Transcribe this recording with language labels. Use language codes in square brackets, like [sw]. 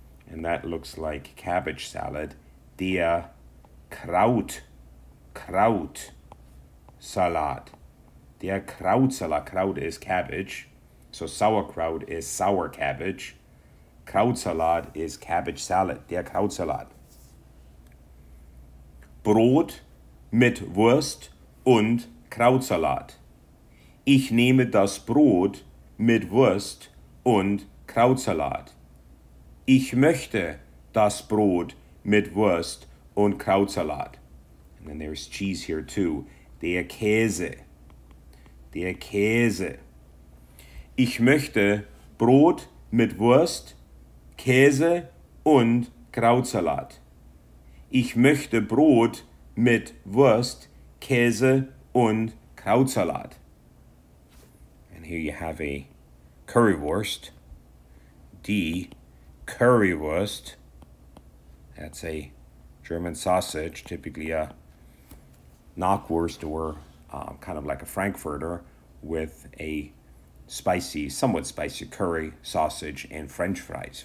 [en] And that looks like cabbage salad. [de] Der Kraut. Kraut Salat. Der Kraut Salat. [en] Kraut is cabbage. So sauerkraut is sour cabbage. Krautsalat is cabbage salad. [de] Der Krautsalat. Brot mit Wurst und Krautsalat. Ich nehme das Brot mit Wurst und Krautsalat. Ich möchte das Brot mit Wurst und Krautsalat. [en] And then there's cheese here too. [de] Der Käse. Der Käse. Ich möchte Brot mit Wurst, Käse und Krautsalat. Ich möchte Brot mit Wurst, Käse und Krautsalat. [en] And here you have a Currywurst. [de] Die Currywurst. [en] That's a German sausage, typically a Knackwurst or kind of like a Frankfurter with a spicy, somewhat spicy curry sausage and French fries.